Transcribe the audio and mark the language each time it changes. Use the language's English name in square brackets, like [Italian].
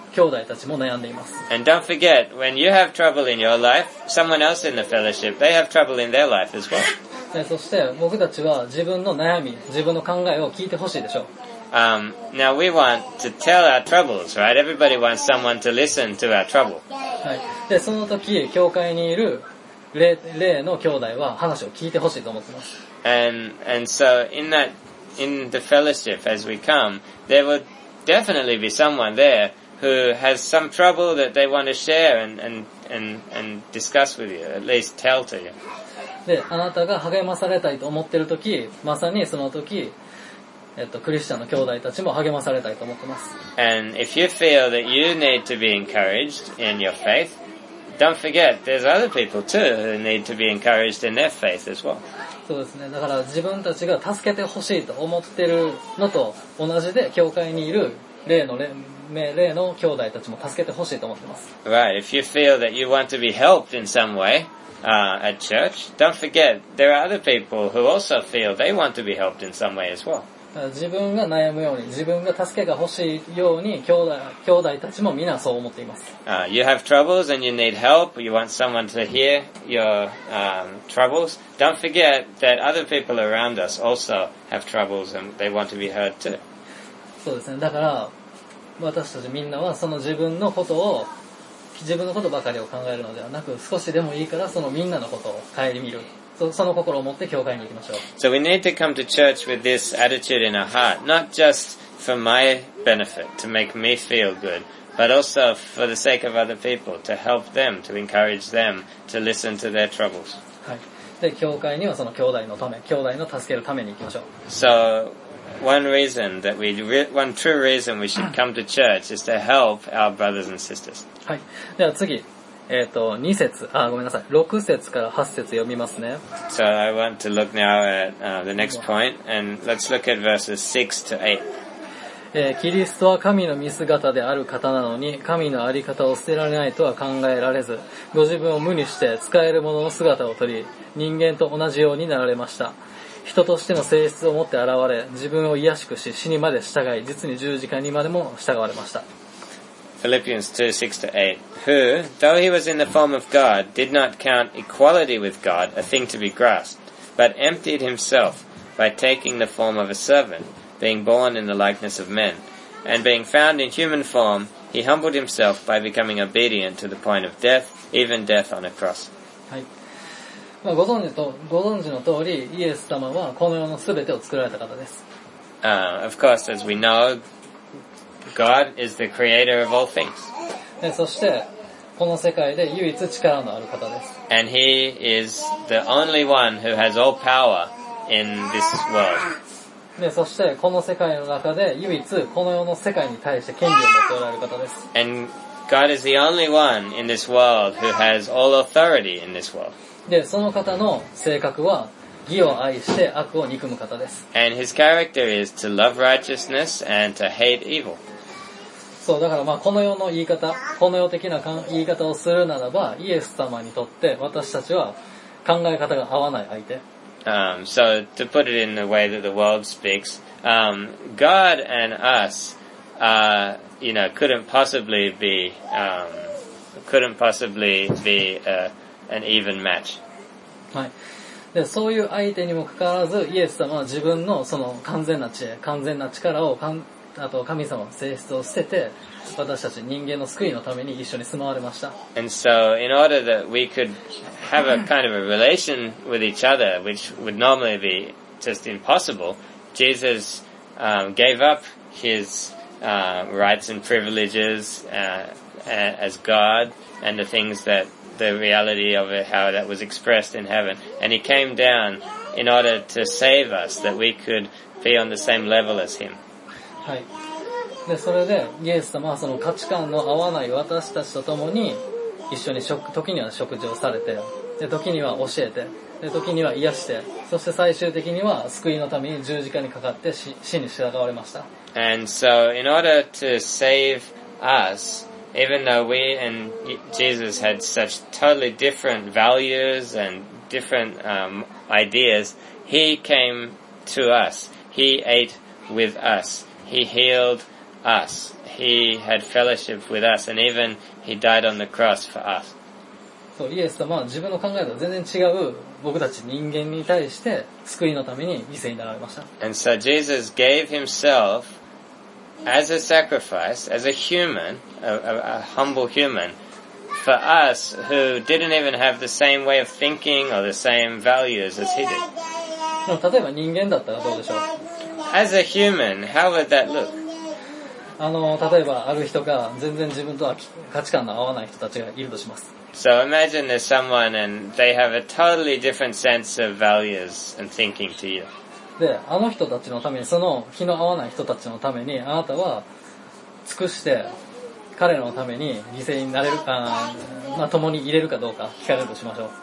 [English] And don't forget, when you have trouble in your life, someone else in the fellowship, they have trouble in their life as well. Now we want to tell our troubles, right? Everybody wants someone to listen to our trouble. [Japanese] で、その時、教会にいる霊の兄弟は話を聞いてほしいと思ってます。 [English] And so in the fellowship as we come, there would definitely be someone there who has some trouble that they want to share and discuss with you, at least tell to you. [Japanese] で、あなたが励まされたいと思ってる時、まさにその時、クリスチャンの兄弟たちも励まされたいと思ってます。 [English] And if you feel that you need to be encouraged in your faith, don't forget there's other people too who need to be encouraged in their faith as well. [Japanese] そうですね。だから自分たちが助けてほしいと思ってるのと同じで、教会にいる霊の兄弟たちも助けてほしいと思ってます。 [English] Right. If you feel that you want to be helped in some way, at church, don't forget there are other people who also feel they want to be helped in some way as well. [Japanese] 自分が悩むように、自分が助けが欲しいように、兄弟たちもみんなそう思っています。 [English] You have troubles and you need help. You want someone to hear your, troubles. Don't forget that other people around us also have troubles and they want to be heard too. [Japanese] そうですね。だから、私たちみんなはその自分のことばかりを考えるのではなく、少しでもいいからそのみんなのことを顧みる。その心を持って教会に行きましょう。 [English] So we need to come to church with this attitude in our heart, not just for my benefit, to make me feel good, but also for the sake of other people, to help them, to encourage them, to listen to their troubles. [Japanese] はい。で、教会にはその兄弟のため、兄弟の助けるために行きましょう。 [English] So one reason that we, one true reason we should come to church is to help our brothers and sisters. [Japanese] はい。では次。 2節、あ、ごめんなさい、6節から8節読みますね。 [English] So I want to look now at, the next point, and let's look at verses 6 to 8. [Japanese] キリストは神の見姿である方なのに、神のあり方を捨てられないとは考えられず、ご自分を無にして使えるものの姿を取り、人間と同じようになられました。人としての性質を持って現れ、自分を卑しくし、死にまで従い、実に十字架にまでも従われました。 [English] Philippians 2:6-8, who, though he was in the form of God, did not count equality with God a thing to be grasped, but emptied himself by taking the form of a servant, being born in the likeness of men. And being found in human form, he humbled himself by becoming obedient to the point of death, even death on a cross. [Japanese] はい。まあ、ご存知の通り、イエス様はこの世のすべてを作られた方です。 [English] Of course, as we know,God is the creator of all things. [Japanese] そしてこの世界で唯一力のある方です。 [English] And he is the only one who has all power in this world. [Japanese] そしてこの世界の中で唯一この世の世界に対して権利を持っておられる方です。 [English] And God is the only one in this world who has all authority in this world. [Japanese] で、その方の性格は義を愛して悪を憎む方です。 [English] And his character is to love righteousness and to hate evil. [Japanese] そう、だからまあこの世の言い方、この世的な言い方をするならば、イエス様にとって私たちは考え方が合わない相手。 [English] So to put it in the way that the world speaks, God and us, you know, couldn't possibly be an even match. [Japanese] はい。で、そういう相手にもかかわらず、イエス様は自分のその完全な知恵、完全な力を、あと神様の性質を捨てて、私たち人間の救いのために一緒に住まわれました。 [English] And so, in order that we could have a kind of a relation with each other, which would normally be just impossible, Jesus, gave up his, rights and privileges as God, and the things that the reality of it, how that was expressed in heaven. And he came down in order to save us, that we could be on the same level as him. [Japanese] で、それで、イエス様はその価値観の合わない私たちと共に、一緒に食、時には食事をされて、で、時には教えて、で、時には癒して、そして最終的には救いのために十字架にかかって死に従われました。 [English] And so, in order to save us, even though we and Jesus had such totally different values and different, ideas, he came to us. He ate with us. He healed us. He had fellowship with us, and even he died on the cross for us. [Japanese] そう、イエス様は自分の考えとは全然違う僕たち人間に対して救いのために犠牲になられました。 [English] And so Jesus gave himself as a sacrifice, as a human, a humble human, for us who didn't even have the same way of thinking or the same values as he did. [Japanese] 例えば人間だったらどうでしょう。 [English] As a human, how would that look? [Japanese] 例えばある人が全然自分とは価値観の合わない人たちがいるとします。 [English] So imagine there's someone and they have a totally different sense of values and thinking to you. [Japanese] で、あの人たちのために、その気の合わない人たちのために、あなたは尽くして彼のために犠牲になれるか、まあ、共にいれるかどうか聞かれるとしましょう。